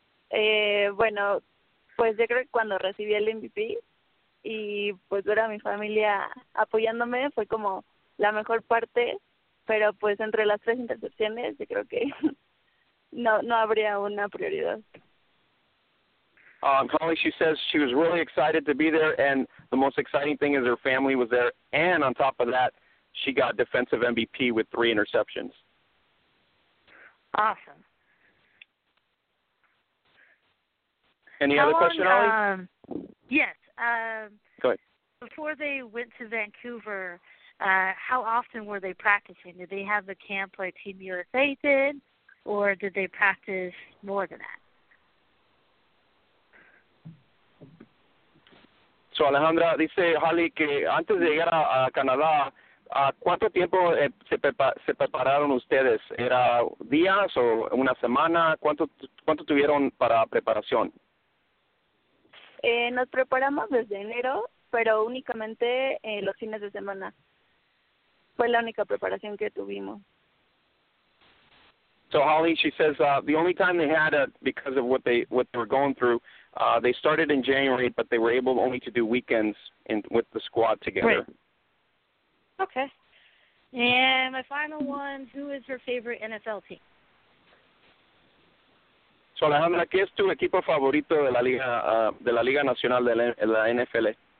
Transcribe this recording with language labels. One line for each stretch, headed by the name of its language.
Spanish: Bueno, pues yo creo que cuando recibí el MVP y pues ver a mi familia apoyándome fue como la mejor parte, pero pues entre las tres intercepciones yo creo que no habría una prioridad.
English: Holly, she says she was really excited to be there, and the most exciting thing is her family was there, and on top of that, she got defensive MVP with three interceptions. Awesome. Any other question, Holly? Yes. Go ahead. Before they went to Vancouver, how often were they practicing? Did they have a camp like Team USA did, or did they practice more than that?
Spanish: So Alejandra dice, Holly, que antes de llegar a Canadá, ¿cuánto tiempo se prepararon ustedes? ¿Era días o una semana? ¿Cuánto tuvieron para preparación? Nos preparamos desde enero, pero únicamente los fines de semana. Fue la única preparación que tuvimos.
English: So Holly, she says the only time they had it because of what they were going through, they started in January, but they were able only to do weekends with the squad together. Right. Okay. And my final one, who is your favorite NFL team?
Spanish: So Alejandra, ¿qué es tu equipo favorito de la Liga Nacional de la NFL?